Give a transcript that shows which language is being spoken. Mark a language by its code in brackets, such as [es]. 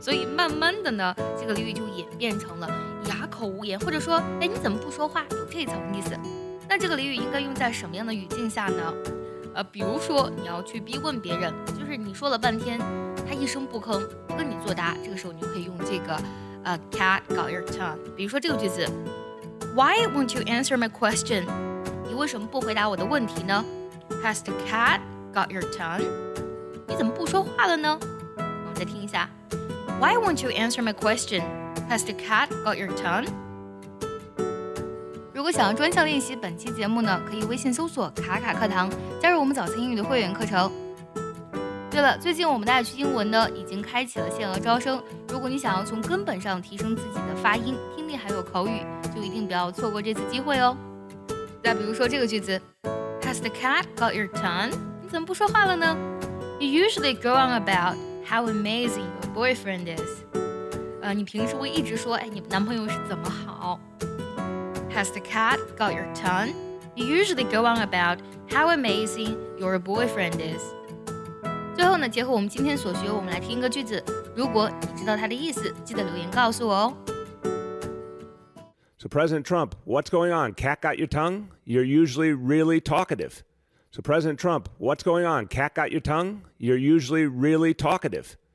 [zh] 所以慢慢的呢，这个俚语就演变成了哑口无言，或者说，哎，你怎么不说话？有这层意思。那这个俚语应该用在什么样的语境下呢？比如说你要去逼问别人，就是你说了半天，他一声不吭，不跟你作答，这个时候你就可以用这个 [en] cat got your tongue。 [zh] 比如说这个句子 [en] ，Why won't you answer my question？ [zh] 你为什么不回答我的问题呢 ？ [en] Has the cat got your tongue？ [zh] 你怎么不说话了呢？我们再听一下。 [en] Why won't you answer my question? Has the cat got your tongue? [zh] 如果想要专项练习本期节目呢，可以微信搜索卡卡课堂，加入我们早餐英语的会员课程。对了，最近我们的爱趣英文呢已经开启了限额招生，如果你想要从根本上提升自己的发音、听力还有口语，就一定不要错过这次机会哦。再比如说这个句子 , [en] Has the cat got your tongue? [zh] 你怎么不说话了呢？ [en] You usually go on about how amazing youboyfriend is. [zh] 你平时会一直说，哎，你男朋友是怎么好。 [en] Has the cat got your tongue? You usually go on about how amazing your boyfriend is. [zh] 最后呢，结合我们今天所学，我们来听一个句子。如果你知道它的意思，记得留言告诉我哦。 [en] So President Trump, what's going on? Cat got your tongue? You're usually really talkative. So President Trump, what's going on? Cat got your tongue? You're usually really talkative.